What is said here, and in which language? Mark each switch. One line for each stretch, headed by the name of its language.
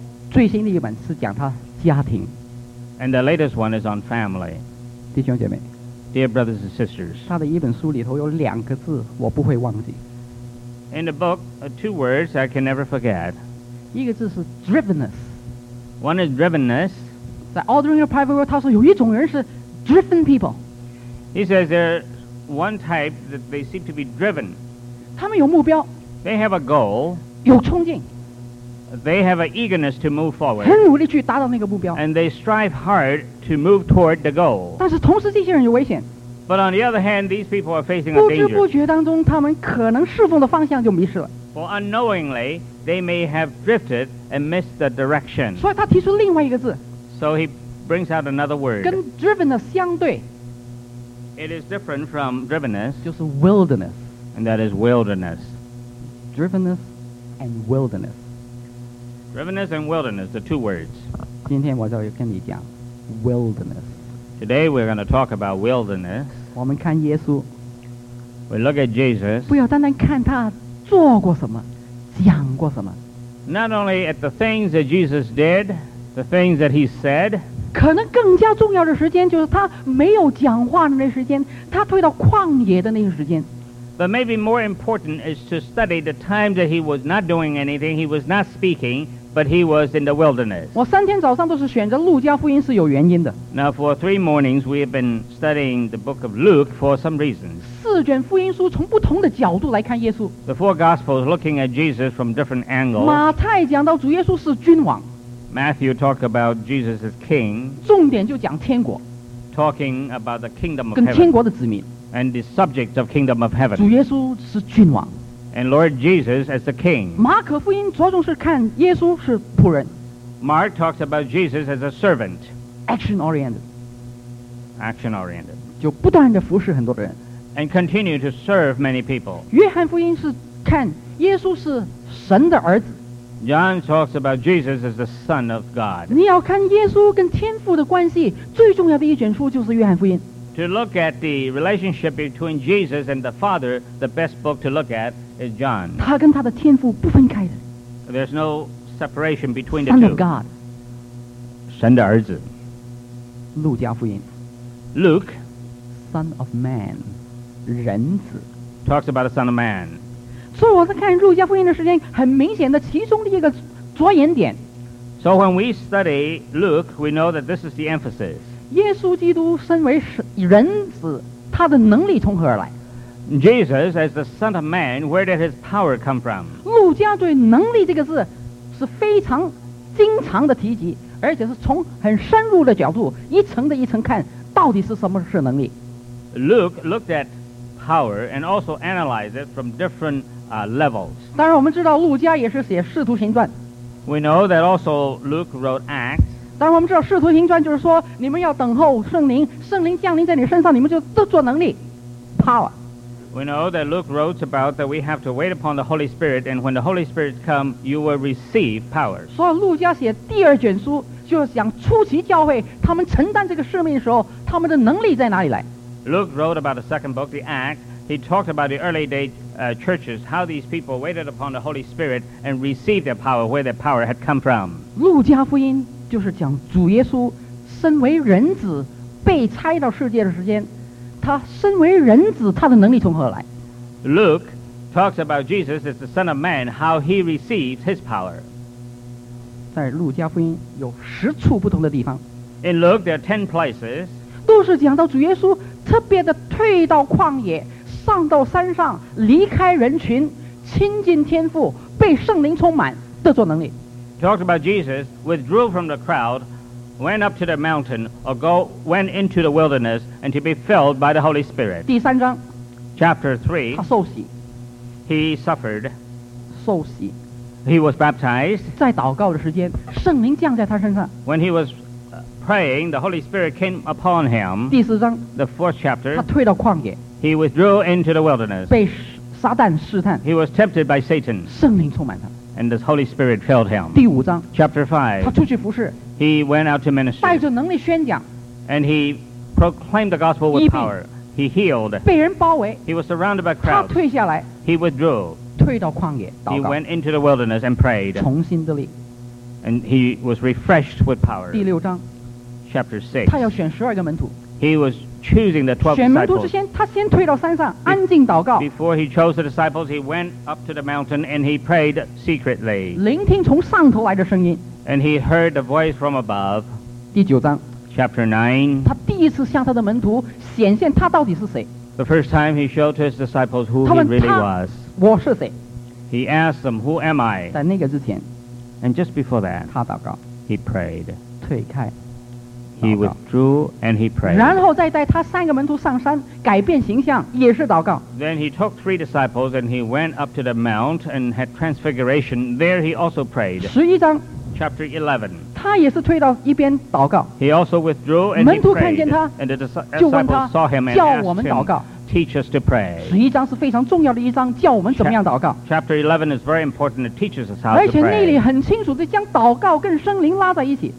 Chinese: 最新的一本是讲他家庭。
English: And the latest one is on family.
Chinese: 弟兄姐妹。
English: Dear brothers and sisters.
Chinese: 他的一本书里头有两个字我不会忘记。
English: In the book, two words I can never forget.
Chinese: 一个字是 drivenness.
English: One is drivenness.
Chinese: 在
English: ordering your private world,
Chinese: 他说有一种人是
English: driven people. He says there are one type that they seem to be driven.
Chinese: 他们有目标。
English: They have a goal.
Chinese: 有冲劲。
English: They have an eagerness to move forward.
Chinese: 很努力去达到那个目标。
English: And they strive hard to move toward the goal.
Chinese: 但是同时这些人有危险。
English: But on the other hand, these people are facing a danger.
Chinese: 不知不觉当中，他们可能侍奉的方向就迷失了。
English: For unknowingly, they may have drifted and missed the direction.
Chinese: 所以他提出另外一个字。
English: So he brings out another word.
Chinese: 跟 drivenness 相对。
English: It is different from drivenness.
Chinese: 就是 wilderness.
English: And that is wilderness. Drivenness and wilderness. Drivenness and wilderness, the two words.
Chinese: 今天我就跟你讲 wilderness.
English: Today we're going to talk about wilderness.
Chinese: 我们看耶稣。
English: We look at Jesus.
Chinese: 不要单单看他做过什么，讲过什么。
English: Not only at the things that Jesus did, the things that he said.
Chinese: 可能更加重要的时间就是他没有讲话的那时间，他退到旷野的那个时间。
English: But maybe more important is to study the time that he was not doing anything, he was not speaking. But he was in the wilderness.
Chinese: 我三天早上都是选择路加福音是有原因的。
English: Now for three mornings, we have been studying the book of Luke for some reasons.
Chinese: 四卷福音书从不同的角度来看耶稣。
English: The four gospels looking at Jesus from different angles.
Chinese: 马太讲到主耶稣是君王。
English: Matthew talked about Jesus as king.
Chinese: 重点就讲天国。
English: Talking about the kingdom of
Chinese: heaven. 跟天国的子民。
English: And the subject of kingdom of heaven.
Chinese: 主耶稣是君王。
English: And Lord Jesus as the king.
Chinese: 马可福音着重是看耶稣是仆人。
English: Mark talks about Jesus as a servant. Action oriented. Action oriented.
Chinese: 就不断地服侍很多人。
English: And continue to serve many people.
Chinese: 约翰福音是看耶稣是神的儿子。
English: John talks about Jesus as the son of God.
Chinese: 你要看耶稣跟天父的关系，最重要的一卷书就是约翰福音。
English: To look at the relationship between Jesus and the Father, the best book to look at is John.
Chinese: 他跟他的天父不分开的。
English: There's no separation between the two. Son of God.
Chinese: 神的儿子。路加福音。
English: Luke. Son of man.
Chinese: 人子。
English: Talks about a son of man.
Chinese: 所以我在看路加福音的时间，很明显的其中的一个着眼点。
English: So when we study Luke, we know that this is the emphasis.
Chinese: 耶稣基督身为人子，他的能力从何而来
English: ？Jesus as the Son of Man, where did his power come from?
Chinese: 路加对能力这个字是非常经常的提及，而且是从很深入的角度，一层的一层看，到底是什么是能力
English: ？Luke looked at power and also analyzed it from different levels.
Chinese: 当然，我们知道路加也是写《使徒行传》。
English: We know that also Luke wrote Acts.
Chinese: 当然我们知道使徒行传就是说你们要等候圣灵，圣灵降临在你身上，你们就得着能力 power.
English: We know that Luke wrote about that we have to wait upon the Holy Spirit and when the Holy Spirit come you will receive power.
Chinese: 所以路加写第二卷书就是讲初期教会他们承担这个使命的时候他们的能力在哪里来。
English: Luke wrote about the second book, the Acts. He talked about the early day churches, how these people waited upon the Holy Spirit and received their power, where their power had come from.
Chinese: 路加福音就是讲主耶稣身为人子被差到世界的时间，他身为人子，他的能力从何来
English: ？Luke talks about Jesus as the Son of Man, how he receives his power.
Chinese: 在路加福音有十处不同的地方。
English: In Luke, there are 10 places.
Chinese: 都是讲到主耶稣特别的退到旷野，上到山上，离开人群，亲近天父被圣灵充满这座能力
English: talked about Jesus withdrew from the crowd went up to the mountain or go went into the wilderness and to be filled by the Holy Spirit
Chinese: 第三章
English: chapter 3
Chinese: 他受洗
English: he suffered
Chinese: 受洗
English: he was baptized
Chinese: 在祷告的时间圣灵降在他身上
English: when he was praying the Holy Spirit came upon him
Chinese: 第四章
English: the fourth chapter
Chinese: 他退到旷野
English: he withdrew into the wilderness
Chinese: 被撒旦试探
English: he was tempted by Satan
Chinese: 圣灵充满他
English: and the Holy Spirit filled him
Chinese: 第五章
English: chapter 5
Chinese: 他出去服事
English: He went out to ministry.
Chinese: 带着能力宣讲
English: And he proclaimed the gospel with power. He healed.
Chinese: 被人包围
English: He was surrounded by crowds.
Chinese: 他退下来
English: He withdrew.
Chinese: 退到旷野祷告
English: He went into the wilderness and prayed.
Chinese: 重新得力
English: And he was refreshed with power.
Chinese: 第六章
English: Chapter 6.
Chinese: 他要选十二个门徒
English: He was choosing the 12
Chinese: disciples. 选门徒之前他先退到山上安静祷告
English: Before he chose the disciples, he went up to the mountain and he prayed secretly.
Chinese: 聆听从上头来的声音
English: And he heard a voice from above.
Chinese: 第九章
English: Chapter 9.
Chinese: 他第一次向他的门徒显现他到底是谁
English: The first time he showed to his disciples who he really was.
Chinese: 我是谁
English: He asked them, who am I?
Chinese: 在那个之前
English: And just before that.
Chinese: 他祷告
English: He prayed.
Chinese: 退开
English: He withdrew and he prayed.
Chinese: 然后再带他三个门徒上山改变形象也是祷告
English: Then he took three disciples and he went up to the mount and had transfiguration. There he also prayed.
Chinese: 十一章
English: Chapter 11.
Chinese: 他也是退到一边祷告
English: He also withdrew and he prayed.
Chinese: 门徒看见他
English: And the disciples saw him and asked him, teach us to pray.
Chinese: 十一章是非常重要的一章教我们怎么样祷告
English: Chapter 11 is very important. It teaches us how to pray.
Chinese: 而且那里很清楚地将祷告跟圣灵拉在一起